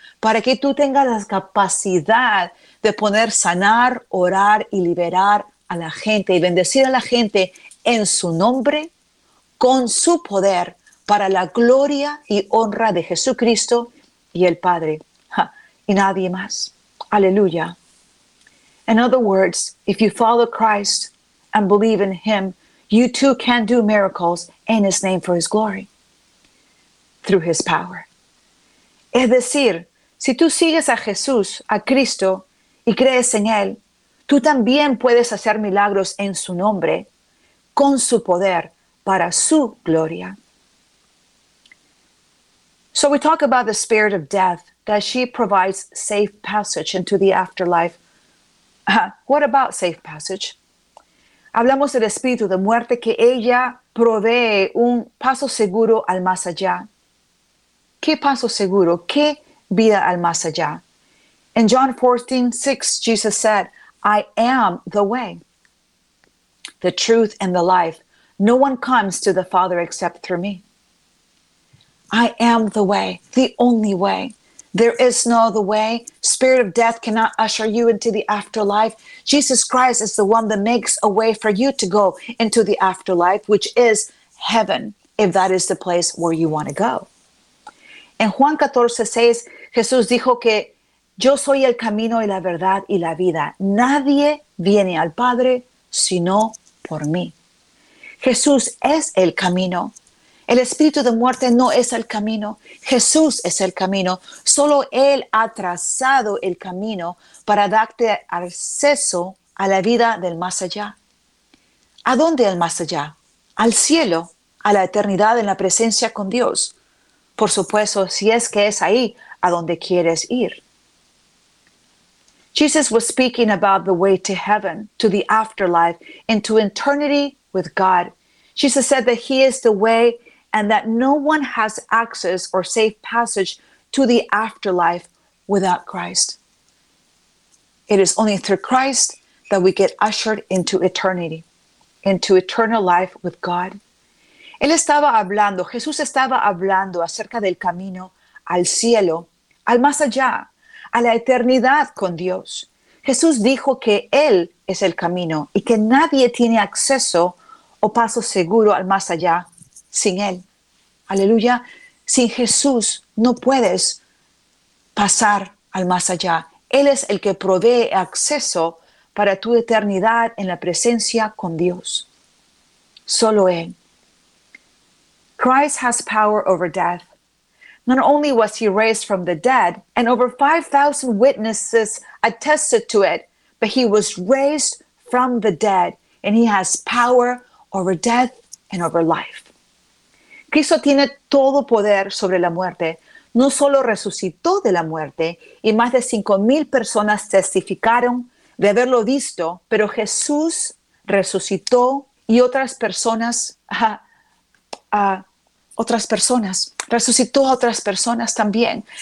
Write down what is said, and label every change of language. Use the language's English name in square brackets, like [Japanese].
[Spanish] para que tú tengas la capacidad de poder sanar, orar y liberar a la gente y bendecir a la gente en su nombre, con su poder, para la gloria y honra de Jesucristo y el Padre, y nadie más. Aleluya. [English] In other words, if you follow Christ and believe in him, you too can do miracles in his name for his glory, through his power. [Spanish] Es decir, si tú sigues a Jesús, a Cristo, y crees en Él, tú también puedes hacer milagros en su nombre, con su poder, para su gloria. [English] So we talk about the spirit of death, that she provides safe passage into the afterlife. What about safe passage? [Spanish] Hablamos del espíritu de muerte, que ella provee un paso seguro al más allá. ¿Qué paso seguro? ¿Qué vida al más allá? [English] In John 14:6, Jesus said, "I am the way, the truth, and the life. No one comes to the Father except through me." I am the way, the only way. There is no other way. Spirit of death cannot usher you into the afterlife. Jesus Christ is the one that makes a way for you to go into the afterlife, which is heaven, if that is the place where you want to go. [Spanish] En Juan 14 [English] says, [Spanish] Jesús dijo que yo soy el camino y la verdad y la vida. Nadie viene al Padre sino por mí. Jesús es el camino. El espíritu de muerte no es el camino. Jesús es el camino. Solo Él ha trazado el camino para darte acceso a la vida del más allá. ¿A dónde el más allá? Al cielo, a la eternidad en la presencia con Dios. Por supuesto, si es que es ahí a donde quieres ir. [English] Jesus was speaking about the way to heaven, to the afterlife, and to eternity with God. Jesus said that He is the way and that no one has access or safe passage to the afterlife without Christ. It is only through Christ that we get ushered into eternity, into eternal life with God. [Spanish] Él estaba hablando, Jesús estaba hablando acerca del camino al cielo, al más allá, a la eternidad con Dios. Jesús dijo que Él es el camino y que nadie tiene acceso o paso seguro al más allá sin Él. Aleluya. Sin Jesús no puedes pasar al más allá. Él es el que provee acceso para tu eternidad en la presencia con Dios. Solo Él. [English] Christ has power over death. Not only was He raised from the dead, and over 5,000 witnesses attested to it, but He was raised from the dead, and He has power over death and over life. [Spanish] Cristo tiene todo poder sobre la muerte. No solo resucitó de la muerte, y más de 5,000 personas testificaron de haberlo visto, pero Jesús resucitó y otras personas también.